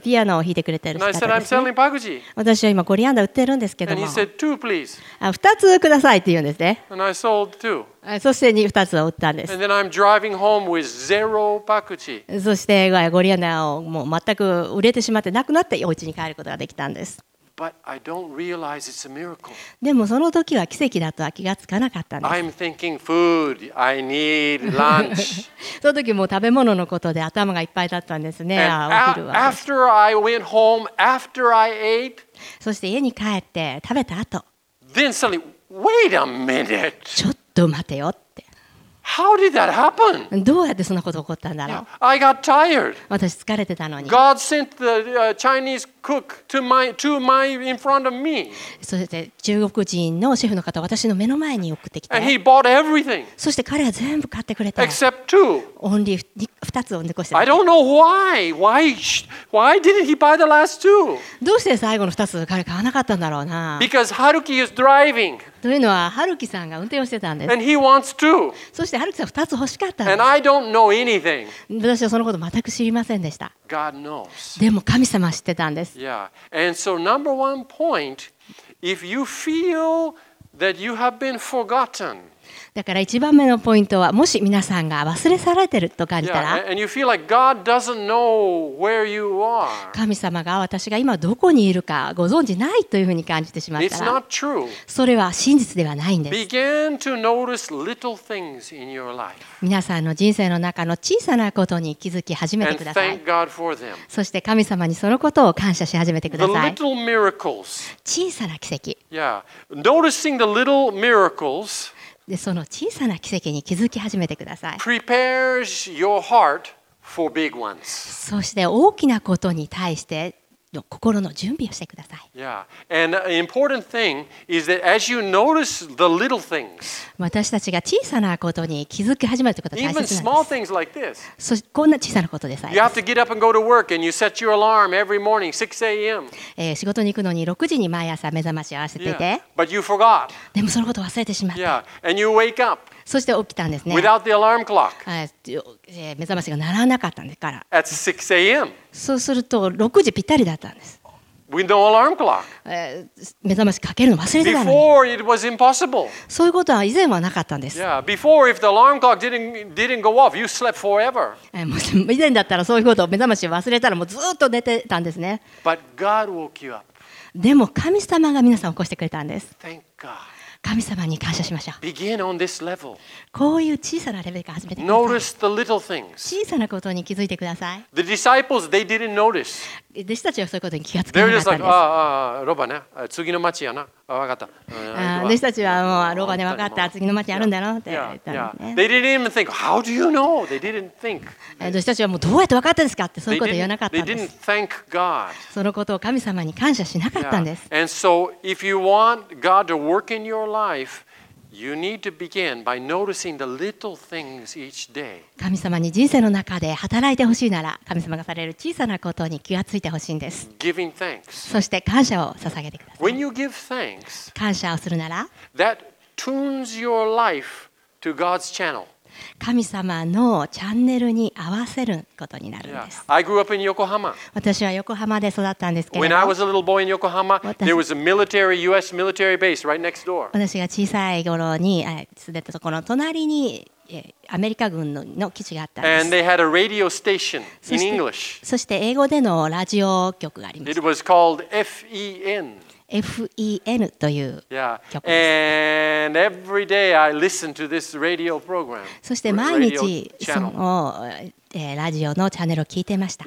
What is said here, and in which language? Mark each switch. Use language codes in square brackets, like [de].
[ja] ピアノを弾いてくれてる方ですね。私は今コリアンダ売ってるんですけども、二つくださいって言うんですね。そして二つを売ったんです。そしてコリアンダをもう全く売れてしまってなくなってお家に帰ることができたんです。 [en] But I don't realize it's a miracle. [ja] でもその時は奇跡だとは気がつかなかったんです。 [en] I'm thinking food. I need lunch. [ja] その時も食べ物のことで頭がいっぱいだったんですね。 [en] And after I went home, after I ate, [ja] そして家に帰って食べた後、 [en] then suddenly, wait a minute. [ja] ちょっと待てよって。 [en] How did that happen? [ja] どうやってそんなこと起こったんだろう。 [en] Yeah, I got tired. [ja] 私疲れてたのに。 [en] God sent the Chinese cook to my in front of me. [ja] そして中国人のシェフの方を私の目の前に送ってきて。 [en] And he bought everything. [ja] そして彼は全部買ってくれた。 [en] Except two. [ja] オンリー二つを残して。 [en] I don't know why. Why didn't he buy the last two? [ja] どうして最後の二つ彼買わなかったんだろうな。 [en] Because Haruki is driving. [ja] というのはハルキさんが運転をしてたんです。 [en] And he wants two. [ja] そしてハルキさん2つ欲しかったんです。 [en] And I don't know anything. [ja] 私はそのこと全く知りませんでした。 [en] God knows. [ja] でも神様は知ってたんです。 [en] Yeah. And so number one point, if you feel that you have been forgotten, [ja] だから1番目のポイントはもし皆さんが忘れ去られてると感じたら、 [en] yeah. And you feel like God doesn't know where you are. [ja] 神様が私が今どこにいるかご存じないというふうに感じてしまったら、 [en] It's not true. [ja] それは真実ではないんです。 [en] Begin to notice little things in your life. [ja] 皆さんの人生の中の小さなことに気づき始めてください。 [en] And thank God for them. [ja] そして神様にそのことを感謝し始めてください。 [en] The little miracles. [ja] 小さな奇跡。 [en] Yeah. Noticing the little miracles. [ja] でその小さな奇跡に気づき始めてください。 [en] Prepares your heart for big ones. [ja] そして大きなことに対しての心の準備をしてください。 [en] Yeah. And an important thing is that as you notice the little things, [ja] 私たちが小さなことに気づき始めるということは大切なんです。 [en] Even small things like this. [ja] そしてこんな小さなことでさえ。 [en] You have to get up and go to work, and you set your alarm every morning, 6 a.m. [ja] 仕事に行くのに6時に毎朝目覚ましを合わせていて。 [en] Yeah. But you forgot. [ja] でもそのことを忘れてしまった。 [en] Yeah. And you wake up. [ja] そして起きたんですね。 [en] Without the alarm clock. [ja] 目覚ましが鳴らなかったんですから。 [en] At 6 a.m. [ja] そうすると6時ぴったりだったんです。 [en] With no alarm clock. [ja] 目覚ましかけるの忘れてたのに。 [en] Before it was impossible. [ja] そういうことは以前はなかったんです。 [en] Yeah. Before if the alarm clock didn't go off, you slept forever. [ja] 以前だったらそういうことを目覚まし忘れたらもうずっと寝てたんですね。 [en] But God woke you up. [ja] でも神様が皆さんを起こしてくれたんです。 [en] Thank God. [ja] 神様に感謝しましょう。 [en] Begin on this level. [ja] こういう小さなレベルから始めてください。 [en] Notice the little things. [ja] 小さなことに気づいてください。 [en] The disciples, they didn't notice. [ja] 弟子たちはそういうことに気がつかなかったんです。 [en] They're just like, [ja] ああ、ロバね、次の町やな。わかった。弟子たちはもうロバね、わかった。次の町あるんだろうって言ったんですね。 [en] They didn't even think. How do you know? They didn't think. [ja] 弟子たちはもうどうやってわかったんですかってそういうこと言わなかったんです。 [en] They didn't thank God. [ja] そのことを神様に感謝しなかったんです。 [en] And so, if you want God to work in your life,You need to begin by noticing the little things each day. [ja] 神様に人生の中で働いてほしいなら、神様がされる小さなことに気がついてほしいんです。 [en] Giving thanks. [ja] そして感謝を捧げてください。 [en] When you give thanks, [ja] 感謝をするなら、 [en] that tunes your life to God's channel. [ja] 神様のチャンネルに合わせることになるんです。 [en] Yeah. I grew up in Yokohama. [ja] 私は横浜で育ったんですけれど、 [en] When I was a little boy in Yokohama, there was a military U.S. military base right next door. [ja] 私が小さい頃に住んでたところの隣にアメリカ軍の基地があったんです。 [en] And they had a radio station in English. [ja] そして英語でのラジオ局がありました。 [en] It was called FEN. [ja] FEN という曲です。 [en] Yeah. And every day I listen to this radio program. [ja] そして毎日そのラジオのチャンネルを聞いてました。